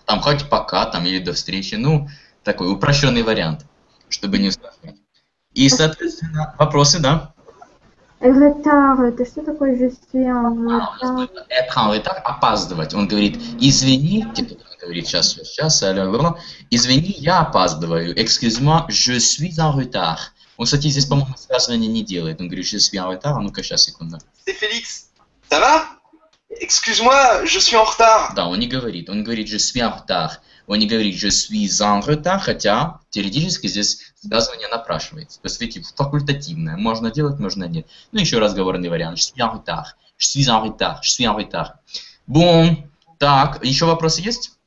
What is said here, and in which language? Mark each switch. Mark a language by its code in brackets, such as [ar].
[ru] Там хоть пока, там, или до встречи. Ну, такой упрощенный вариант, чтобы не страшить. И, соответственно, вопросы, да? Retard, это что такое же [fr] «être en retard»? [ru] Опаздывать. Он говорит, извини, он говорит, сейчас, извини, я опаздываю. [fr] Excuse-moi, je suis en retard. [ru] Он, кстати, здесь, по-моему, связывание не делает. Он говорит, [fr] je suis en retard, [ru] а ну-ка, сейчас, секунду. [fr] C'est Félix, ça va? Excuse-moi, je suis en retard. [ru] Да, он не говорит, [fr] je suis en retard. [ru] Он не говорит, je suis en retard, хотя теоретически здесь связывание напрашивается. То есть, видите, факультативное. Можно делать, можно нет. Ну, еще разговорный вариант. [fr] Je suis en retard. Je suis en retard. Je suis en retard. Bon. [ru] Так, еще вопросы есть?